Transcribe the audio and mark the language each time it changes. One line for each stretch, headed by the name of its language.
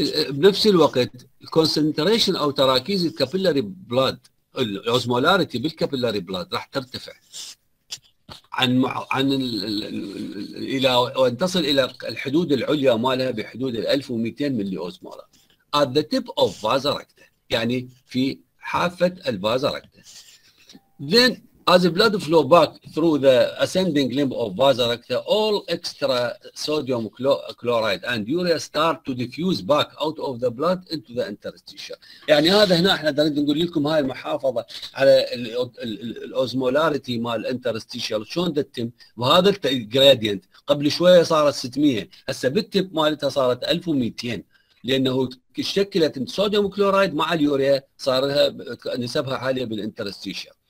Arabic: بنفس الوقت الكونسنتريشن او تراكيز الكابيلاري بلاد الاوزمولاريتي بالكابيلاري بلاد راح ترتفع عن الى وان تصل الى الحدود العليا مالها بحدود ال 1200 ملي اوزمولار
English: at the tip of vasa recta,
Arabic: يعني في حافة الفازاركتا.
English: Then as blood flow back through the ascending limb of vasarecta, all extra sodium chloride and urea start to diffuse back out of the blood into the interstitial.
Arabic: يعني هذا هنا احنا نريد نقول لكم هاي المحافظة على الاوزمولاريتي مال الانترستيشال شلون تتم وهذا الجراديانت قبل شوية صارت 600 هسه بالتب مالتها صارت 1200 لانه شكلت الصوديوم كلورايد مع اليوريا صار لها نسبها عاليه بالانترستيشيا.